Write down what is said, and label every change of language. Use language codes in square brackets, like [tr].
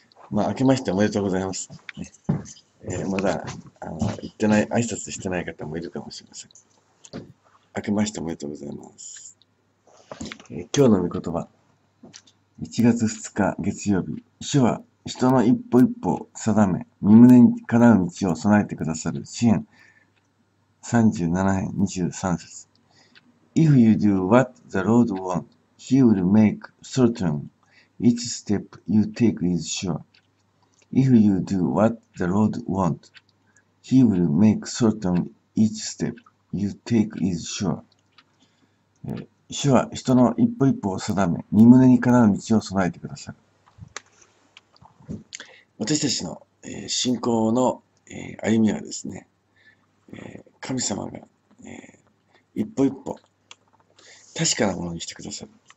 [ja] まあ、明けましておめでとうございます。まだ、行ってない、挨拶してない方もいるかもしれません。明けましておめでとうございます。今日の御言葉。 1月2日月曜日、主は人の一歩一歩定め、身旨にかなう道を備えてくださる。詩編37編23節。 [en] If you do what the Lord wants, he will make certain each step you take is sure. If you do what the Lord wants, he will make certain each step you take is sure. [ja] 主は人の一歩一歩を定め、身旨にかなう道を備えてくださる。私たちの、信仰の、歩みはですね、神様が、一歩一歩確かなものにしてくださる。